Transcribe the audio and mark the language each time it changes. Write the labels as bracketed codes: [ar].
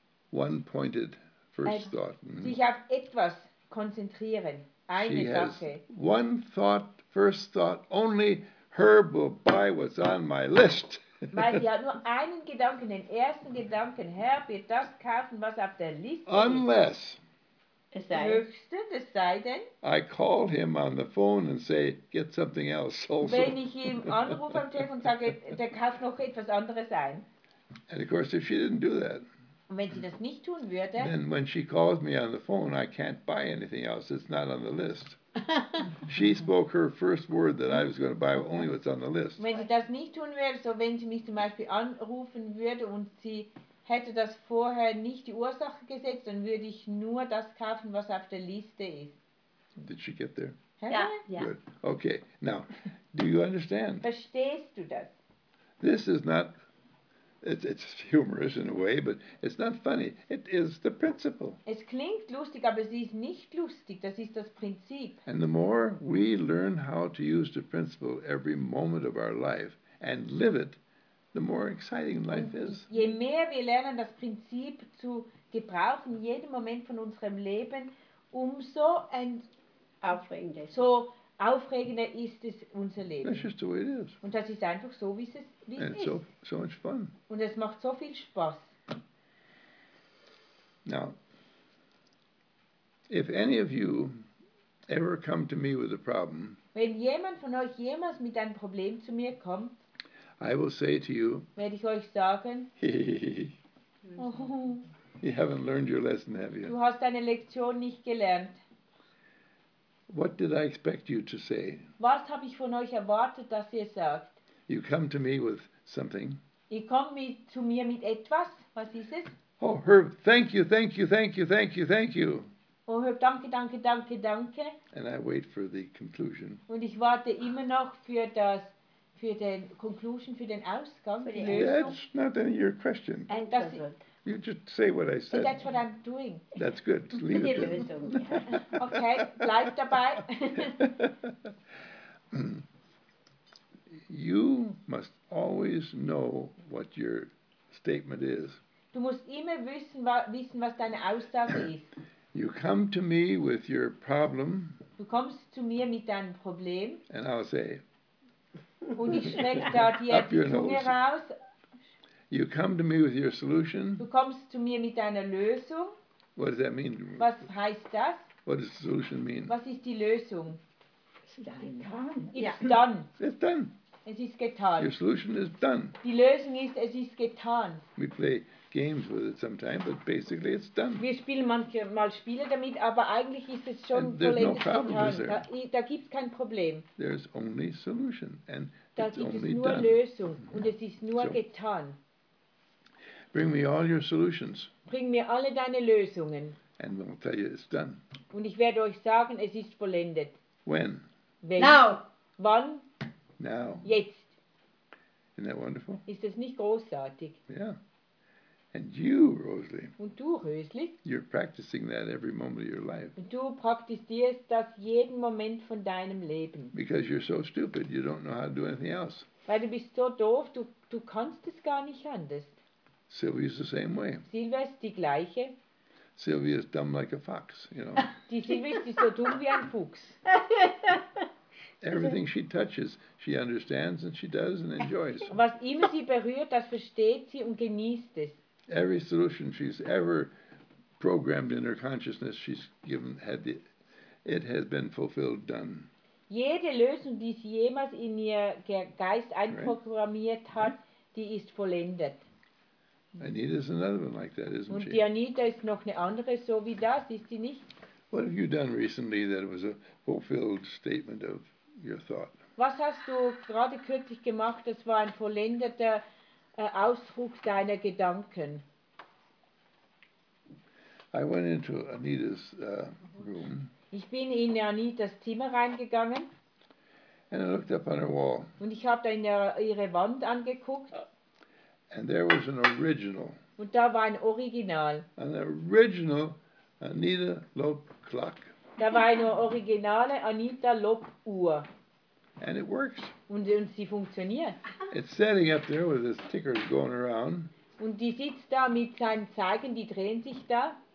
[en] One-pointed first thought. Mm-hmm. [de] Sich auf etwas konzentrieren. Eine [en] she [de] Sache. [en] Has one thought, first thought only. Herb will buy what's on my list. [de] Weil sie hat nur einen Gedanken, den ersten Gedanken. Herb wird das kaufen, was auf der Liste [en] unless [de] ist. Höchstens, es sei denn. [en] I call him on the phone and say, get something else also. [de] Wenn ich ihm anrufe am Telefon und sage, der kauft noch etwas anderes ein. [en] And of course, if she didn't do that, [de] und wenn sie das nicht tun würde, [en] then when she calls me on the phone, I can't buy anything else. It's not on the list. She spoke her first word that I was going to buy only what's on the list. [de] Wenn sie das nicht tun würde, so wenn sie mich zum Beispiel anrufen würde und sie hätte das vorher nicht die Ursache gesetzt, dann würde ich nur das kaufen, was auf der Liste ist. [en] Did she get there? Yeah. Good. Okay. Now, do you understand? [de] Verstehst du das? [en] This is not... It's humorous in a way, but it's not funny. It is the principle. [de] Es klingt lustig, aber es ist nicht lustig. Das ist das Prinzip. [en] And the more we learn how to use the principle every moment of our life and live it, the more exciting life is. [de] Je mehr wir lernen, das Prinzip zu gebrauchen, jeden Moment von unserem Leben, umso aufregender ist es unser Leben. [en] That's just the way it is. [de] Und das ist einfach so, wie es ist. [en] And so much fun. [de] Und es macht so viel Spaß. [en] Now, if any of you ever come to me with a problem, [de] wenn jemand von euch jemals mit einem Problem zu mir kommt, [en] I will say to you, [de] werde ich euch sagen, [en] you haven't learned your lesson, have you? [de] Du hast deine Lektion nicht gelernt. [en] What did I expect you to say? [de] Was habe ich von euch erwartet, dass ihr sagt? [en] You come to me with something. [de] Ihr kommt zu mir mit etwas. Was ist es? [en] Oh, Herb, thank you. [de] Oh, Herb, danke. [en] And I wait for the conclusion. [de] Und ich warte immer noch für das, für den Conclusion, für den Ausgang, für die Lösung. [en] That's not any of your question. And that's it. You just say what I said. And that's what I'm doing. That's good. Leave it to me. [de] Okay, bleib dabei. [en] You must always know what your statement is. [de] Du musst immer wissen, was deine Aussage ist. [en] You come to me with your problem. [de] Du kommst zu mir mit deinem Problem. [en] And I'll say. [de] Und ich schreck da dir die Zunge raus. [en] You come to me with your solution. [de] Du kommst zu mir mit deiner Lösung. [en] What does that mean? [de] Was heißt das? [en] What does the solution mean? [de] Was ist die Lösung? [en] It's done. It's done. [de] Es ist getan. [en] Your solution is done. [de] Die Lösung ist, es ist getan. [en] We play games with it sometimes, but basically it's done. [de] Wir spielen manchmal Spiele damit, aber eigentlich ist es schon vollendet getan. Da gibt's kein Problem. [en] There's only solution and [de] da [en] it's only done. [de] Da gibt es nur Lösung und es ist nur getan. [en] Bring me all your solutions. [de] Bring mir alle deine Lösungen. [en] And we'll tell you it's done. [de] Und ich werde euch sagen, es ist vollendet. [en] When? [de] Wenn. [en] Now. [de] Wann? [en] Now. [de] Jetzt. [en] Isn't that wonderful? [de] Ist das nicht großartig? [en] Yeah. And you, Rosalie. [de] Und du, Rösli. [en] You're practicing that every moment of your life. [de] Und du praktizierst das jeden Moment von deinem Leben. [en] Because you're so stupid, you don't know how to do anything else. [de] Weil du bist so doof, du kannst es gar nicht anders. [en] Sylvia's the same way. [de] Sylvia ist die gleiche. [en] Sylvia is dumb like a fox, you know. [de] Die Sylvia ist so dumm wie ein Fuchs. [en] Everything she touches, she understands and she does and enjoys. [de] Was immer sie berührt, das versteht sie und genießt es. [en] Every solution she's ever programmed in her consciousness, she's given, had the, it has been fulfilled, done. [de] Jede Lösung, die sie jemals in ihr Geist einprogrammiert hat, right. Die ist vollendet. [en] Anita is another one like that, isn't [de] und [en] she? [de] Und die Anita ist noch eine andere, so wie das, ist sie nicht? [en] What have you done recently that was a fulfilled statement of your thought? [de] Was hast du gerade kürzlich gemacht, das war ein vollendeter Ausdruck deiner Gedanken? [en] I went into Anita's room. [de] Ich bin in Anitas Zimmer reingegangen. [en] And I looked up on her wall. [de] Und ich habe da in ihre Wand angeguckt. [en] And there was an original. [de] Und da war ein Original. [en] An original Anita Lop clock. [de] Da war eine originale Anita Lop Uhr. [en] And it works. [de] Und sie funktioniert. [en] It's sitting up there with its tickers going around. [de] Und die sitzt da mit seinen Zeigen, die drehen sich da.